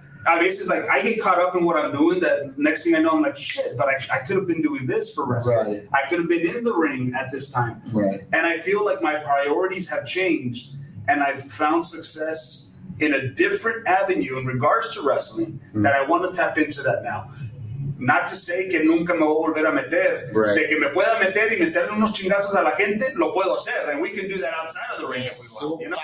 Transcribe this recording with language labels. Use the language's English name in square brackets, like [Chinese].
[English] I get caught up in what I'm doing, that next thing I know, I'm like, shit, but I could have been doing this for wrestling. Right. I could have been in the ring at this time. Right. And I feel like my priorities have changed, and I've found success in a different avenue in regards to wrestling that I want to tap into that now. Not to say [Spanish] que nunca me voy a volver a meter. [English] Right. [Spanish] De que me pueda meter y meterle unos chingazos a la gente, lo puedo hacer. [English] And we can do that outside of the ring if we want.